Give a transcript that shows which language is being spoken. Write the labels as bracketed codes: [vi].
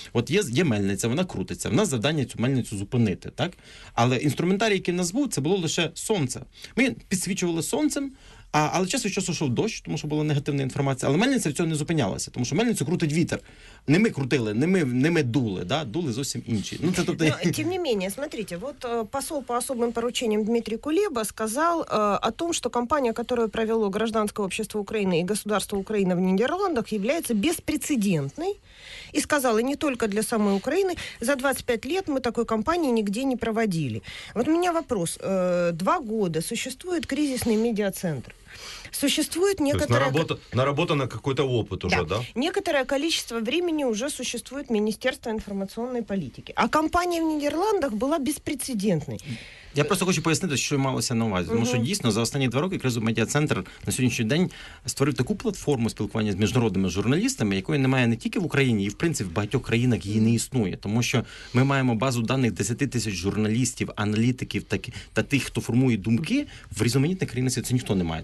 [uk] От є мельниця, вона крутиться. В нас завдання цю мельницю зупинити, так? Але інструментарій, який у нас був, це було лише сонце. Ми підсвічували сонцем, але час від часу йшов дощ, тому що була негативна інформація. Але мельниця в цьому не зупинялася, тому що мельницю крутить вітер. Не ми крутили, не ми дули, да? Дули зовсім інші. Ну, це, тобто... [ru] Но, тим не менее, смотрите, вот посол по особым порученням Дмитрий Кулеба сказал о том, что компания, которую провело гражданское общество Украины и государство Украины в Нидерландах, является беспрецедентной. И сказала, не только для самой Украины, за 25 лет мы такой кампании нигде не проводили. Вот у меня вопрос. Два года существует кризисный медиацентр. Существует некоторое... То есть наработано какой-то опыт уже, да? Некоторое количество времени уже существует Министерство информационной политики. А кампания в Нидерландах была беспрецедентной. [uk] Я просто хочу пояснити, що малося на увазі. Тому що дійсно за останні два роки кризовий медіа-центр на сьогоднішній день створив таку платформу спілкування з міжнародними журналістами, якої немає не тільки в Україні, і в принципі в багатьох країнах її не існує. Тому що ми маємо базу даних 10 тисяч журналістів, аналітиків та тих, хто формує думки, в різноманітних країнах це ніхто не має.